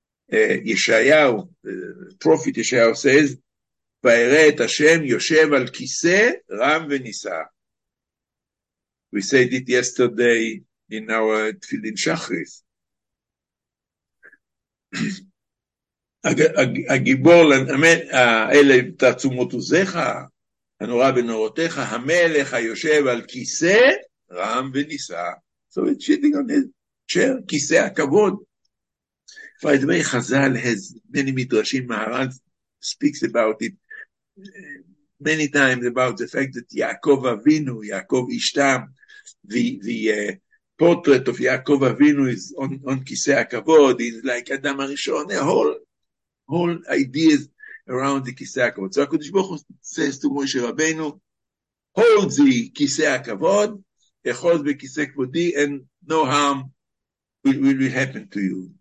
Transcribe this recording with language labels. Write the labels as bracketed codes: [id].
[en] Yeshayahu, prophet Yeshayahu says, [he] "Va'ereh et Hashem yoshev al kiseh ram v'nisa." [en] We said it yesterday in our Tfilin Shachris. [he] הגיבור אלה תעצומות עוזיך הנורא בנורותיך המלך היושב על כיסא רם ונישא. [en] So it's sitting on his chair, [he] כיסא הכבוד. [en] By the way, Chazal has many midrashim. Maharal speaks about it many times, about the fact that Yaakov Avinu, Yaakov Ishtam, the portrait of Yaakov Avinu is on Kisei HaKavod, is like Adam HaRishon, a whole ideas around the Kisei HaKavod. So HaKadosh Baruch Hu says to Moshe Rabbeinu, hold the Kisei HaKavod, [he] echol b'kisei kvodi, [en] and no harm will happen to you.